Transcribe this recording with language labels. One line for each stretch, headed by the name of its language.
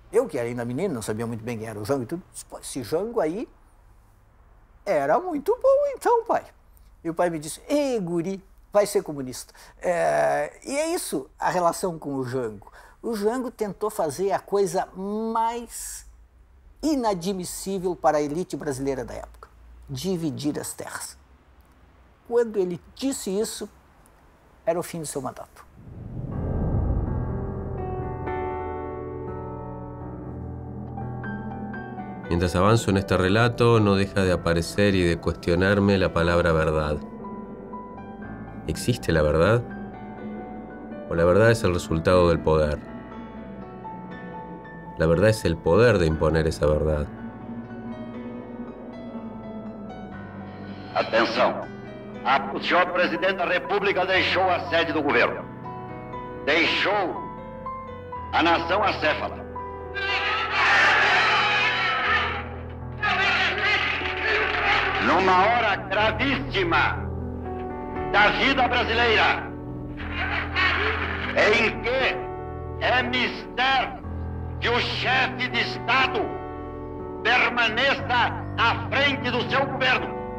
Portuguese: Eu, que era ainda menino, não sabia muito bem quem era o Jango e tudo, disse: esse Jango aí era muito bom então, pai. E o pai me disse: ei, guri, vai ser comunista. E é isso a relação com o Jango. O Jango tentou fazer a coisa mais inadmissível para a elite brasileira da época: dividir as terras.
Spanish: Cuando él dice eso, era el fin de su mandato. Mientras avanzo en este relato, no deja de aparecer y de cuestionarme la palabra verdad. ¿Existe la verdad? ¿O la verdad es el resultado del poder? La verdad es el poder de imponer esa verdad. Atención.
Portuguese: O senhor presidente da República deixou a sede do governo. Deixou a nação acéfala. Numa hora gravíssima da vida brasileira, em que é mister que o chefe de Estado permaneça à frente do seu governo.